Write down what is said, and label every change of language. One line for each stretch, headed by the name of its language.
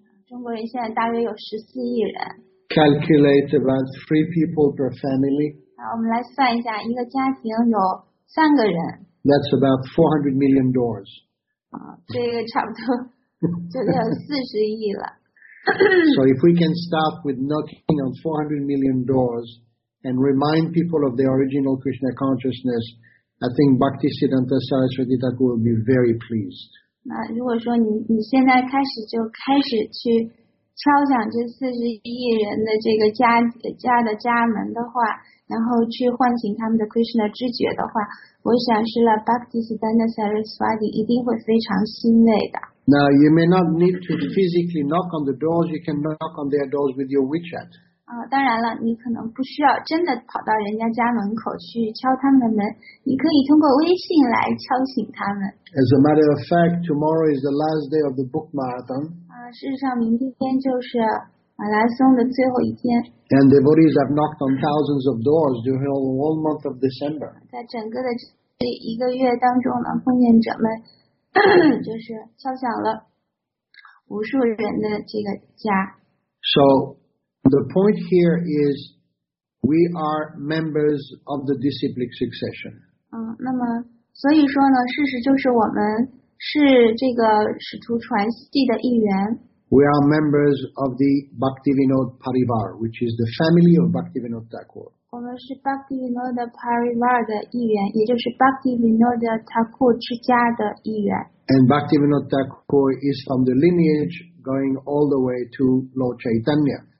Chinese: 中国人现在大约有14亿人。
English: Calculate about 3 people per family.
Chinese: 好，我们来算一下，一个家庭有三个人。
English: That's about 400 million doors.
Chinese: 这个差不多就得有40亿了。
English: So if we can start with knocking on 400 million doors and remind people of the original Krishna consciousness, I think Bhaktisiddhanta Saraswati Thakur will be very pleased.
Chinese: 那如果说你现在开始去敲响这40亿人的这个家的家门的话，然后去唤醒他们的 Krishna 知觉的话，我想是了 Bhaktisiddhanta Saraswati 一定会非常欣慰的。
English: Now you may not need to physically knock on the doors, you can knock on their doors with your WeChat.
Chinese: 当然了，你可能不需要真的跑到人家家门口去敲他们的门，你可以通过微信来敲醒他们。
English: As a matter of fact, tomorrow is the last day of the book marathon.
Chinese: 事实上明天就是马拉松的最后一天。
English: And devotees have knocked on thousands of doors during the whole month of December.
Chinese: 在整个的这一个月当中呢，奉献者们就是敲响了无数人的这个家。
English: So the point here is we are members of the disciplic succession.
Chinese: 那么所以说呢，事实就是我们是这个使徒传系的一员。
English: We are members of the Bhaktivinoda Parivar, which is the family of Bhaktivinoda Thakur.
Chinese: 我们是 Bhaktivinoda Parivar 的一员，也就是 Bhaktivinoda Thakur 之家的一员。
English: And Bhaktivinoda Thakur is from the lineage going all the way to Lord Chaitanya.